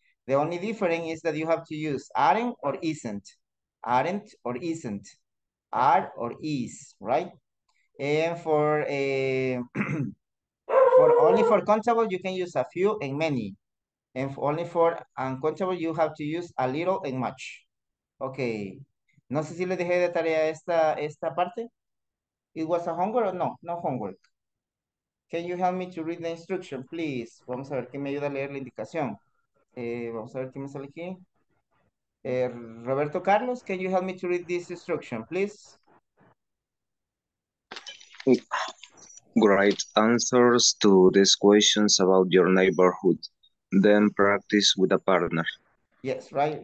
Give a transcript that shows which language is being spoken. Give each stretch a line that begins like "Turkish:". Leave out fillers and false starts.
English: The only difference is that you have to use aren't or isn't. Aren't or isn't. Are or is, right? And for a... For only for countable, you can use a few and many. And only for uncountable, you have to use a little and much. Okay.
Spanish: No sé si le dejé de tarea esta parte.
English: It was a homework or no? No homework. Can you help me to read the instruction, please?
Spanish: Vamos a ver quién me ayuda a leer la indicación. Vamos a ver quién me sale aquí.
English: Roberto Carlos, can you help me to read this instruction, please? Write answers to these questions about your neighborhood, then practice with a partner. Yes, right.